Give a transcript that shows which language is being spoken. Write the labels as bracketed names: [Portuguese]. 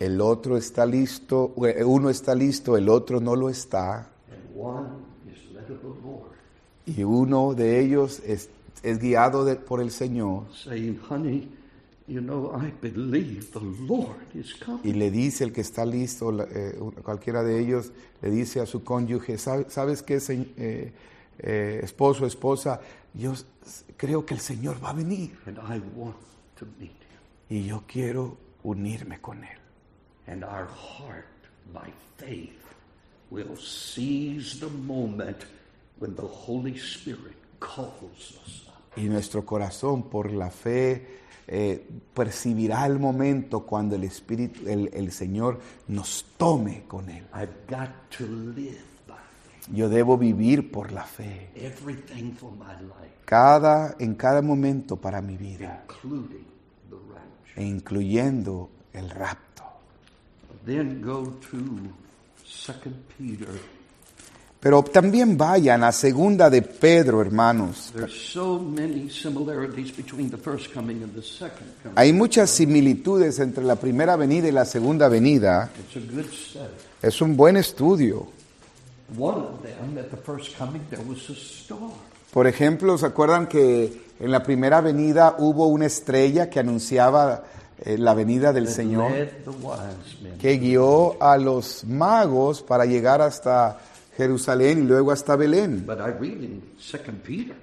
[Spanish] El otro está listo, uno está listo, el otro no lo está. [English] And one is led of the Lord. [Spanish] Y uno de ellos es guiado por el Señor. [English] Saying, honey, you know, I believe the Lord is coming. [Spanish] Y le dice el que está listo, cualquiera de ellos, le dice a su cónyuge, ¿sabes qué, esposo, esposa? Yo creo que el Señor va a venir. [English] And I want to meet him. [Spanish] Y yo quiero unirme con Él. [English] And our heart, by faith, will seize the moment when the Holy Spirit calls us. [Spanish] Y nuestro corazón, por la fe, percibirá el momento cuando el Espíritu, el Señor, nos tome con Él. [English] I've got to live. [Spanish] Yo debo vivir por la fe. [English] Everything for my life. [Spanish] En cada momento para mi vida. [English] Including the rapture. [Spanish] E incluyendo el rapto. [English] Then go to 2 Peter. [Spanish] Pero también vayan a segunda de Pedro, hermanos. [English] There's so many similarities between the first coming and the second coming. [Spanish] Hay muchas similitudes entre la primera venida y la segunda venida. [English] It's a good study. [Spanish] Es un buen estudio. [English] One of them, at the first coming, there was a star. [Spanish] Por ejemplo, ¿se acuerdan que en la primera venida hubo una estrella que anunciaba la venida del Señor? Que guió a los magos para llegar hasta Jerusalén y luego hasta Belén. [English] But I read in 2 Peter,